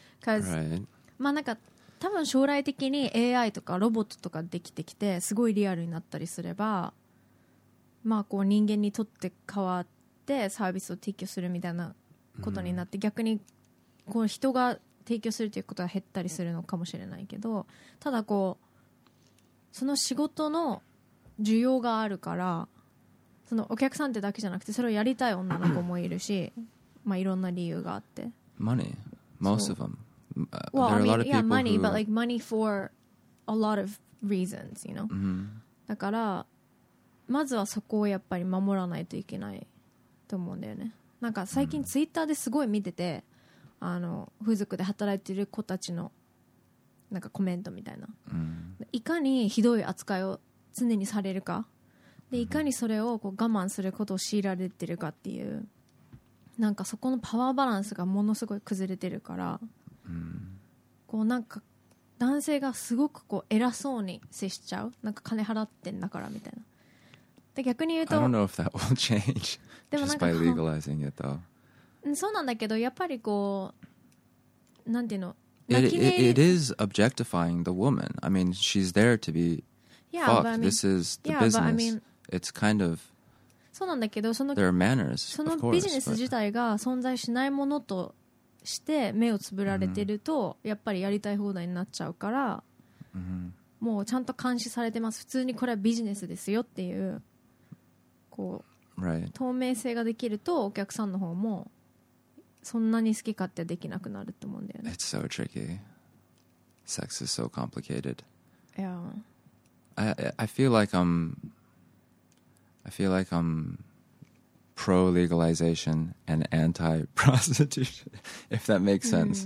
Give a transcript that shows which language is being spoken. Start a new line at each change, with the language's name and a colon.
Japanese: Because, まあなんか多分将来的に AI とかロボットとかできてきてすごいリアルになったりすれば、まあこう人間にとって変わってサービスを提供するみたいなことになって、逆にこう人が提供するということは減ったりするのかもしれないけど、ただこうその仕事の需要があるから、そのお客さんってだけじゃなくてそれをやりたい女の子もいるし、まあいろんな理由があって。
English: Money, most of them. Well, there are a lot of people money, but like money for a lot of reasons, you know.、 Mm-hmm.
Japanese: だからまずはそこをやっぱり守らないといけないと思うんだよね。なんか最近ツイッターですごい見てて、あの風俗で働いてる子たちのなんかコメントみたいな。 Mm-hmm. いかにひどい扱いを常にされるか、でいかにそれをこう我慢することを強いられてるかっていう、なんかそこのパワーバランスがものすごい崩れてるから、こうなんか男性がすごくこう偉そうに接しちゃう、なんか金払ってんだからみたいな。で逆に言うと、
English: I don't know if that will change just by legalizing it though。
Japanese: そうなんだけど、やっぱりこうなんていうの、
English: It is objectifying the woman. I mean, she's there to be. Yeah, fuck, but I mean, this is the yeah, business. But I mean, it's kind of.
Japanese: そうなんだけど、その
English: there are manners.
Japanese: そのビジネス自体が存在しないものとして目をつぶられてると、mm-hmm. やっぱりやりたい放題になっちゃうから、 mm-hmm. もうちゃんと監視されてます。普通にこれはビジネスですよっていう、こう、
English: right.
Japanese: 透明性ができるとお客さんの方もそんなに好き勝手できなくなると思うんだよね。
English: It's so tricky. Sex is so complicated. Yeah. I feel like I'm pro-legalization and anti-prostitution, if that makes sense.